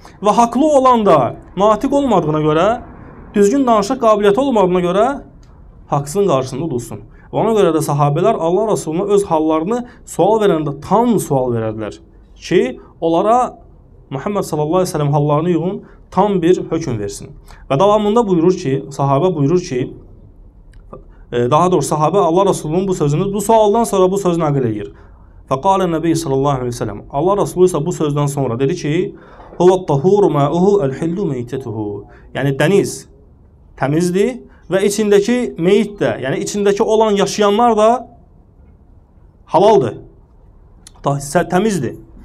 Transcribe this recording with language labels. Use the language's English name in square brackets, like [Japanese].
[Azerbaijani] Və haqlı olan da natiq olmadığına görə, düzgün danışıq qabiliyyəti olmadığına görə, haqsızın qarşısında dursun. Və ona görə də sahabələr Allah Rasuluna öz hallarını sual verəndə tam sual verədilər ki, onlara Muhammed sallallahu aleyhi ve sellem hallarını yığın, tam bir hökm versin. Və davamında buyurur ki, sahabə buyurur ki, daha doğrusu sahabə Allah Rasulunun bu sözünü, bu sualdan sonra bu sözünü əql eləyir. Fəqalə nəbi sallallahu aleyhi ve sellem, Allah Rasulü isə bu sözdən sonra dedi ki, [Arabic] Huvat tahur ma'uhu el-hillu meytetuhu. [Azerbaijani] Yəni, dəniz təmizdir və içindəki meyt də, yəni içindəki olan yaşayanlar da halaldır, təmizdir.